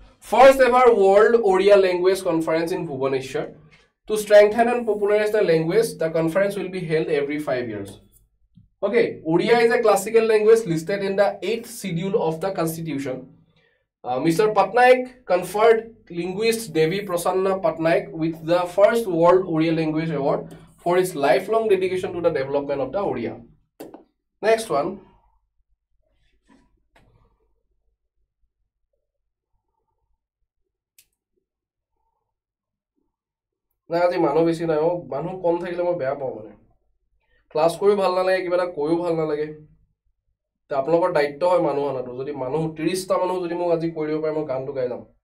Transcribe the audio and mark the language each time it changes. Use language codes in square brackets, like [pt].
[en] First ever world Odia language conference in Bhubaneswar. To strengthen and popularize the language the conference will be held every 5 years। Okay, Odia is a classical language listed in the 8th schedule of the constitution. Mister Patnaik conferred linguist Debi Prasanna Patnaik with the first world Odia language award for his lifelong dedication to the development of the Odia. [as] Next one, নাই আজি মানুহ বেছি নাই, অ' মানুহ কম থাকিলে মই বেয়া পাওঁ, মানে ক্লাছ কৰিও ভাল নালাগে, কিবা এটা কৈও ভাল নালাগে, আপোনালোকৰ দায়িত্ব হয় মানুহ অনাটো, যদি মানুহ 30টা মানুহ যদি মোক আজি কৰি দিব পাৰে মই গানটো গাই যাম।